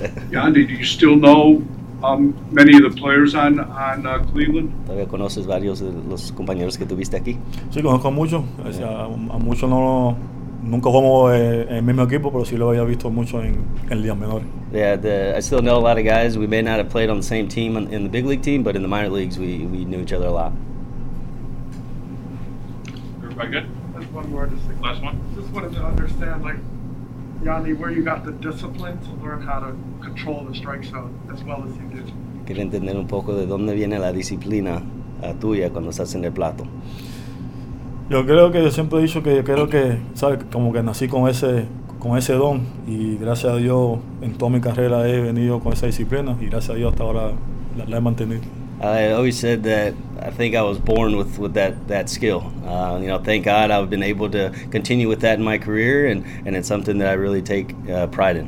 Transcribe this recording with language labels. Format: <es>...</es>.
<en>Yandy, do you still know many of the players on Cleveland?</en> <es>¿Todavía conoces varios de los compañeros que tuviste aquí? Sí, conozco a muchos. Yeah. O sea, a muchos nunca jugamos en el mismo equipo, pero sí lo había visto mucho en ligas menores.</es> <en>Yeah, I still know a lot of guys. We may not have played on the same team in the big league team, but in the minor leagues, we knew each other a lot. Everybody good? Just one more. Last one. Just wanted to understand, Yandy, where you got the discipline to learn how to control the strike zone as well as you did.</en> <es>Quiero entender un poco de dónde viene la disciplina tuya cuando estás en el plato. Yo creo que yo siempre he dicho que yo creo que, ¿sabes? Como que nací con ese con ese don y gracias a Dios en toda mi carrera he venido con esa disciplina y gracias a Dios hasta ahora la he mantenido.</es> <en>I always said that I think I was born with that skill. You know, thank God I've been able to continue with that in my career, and it's something that I really take pride in.</en>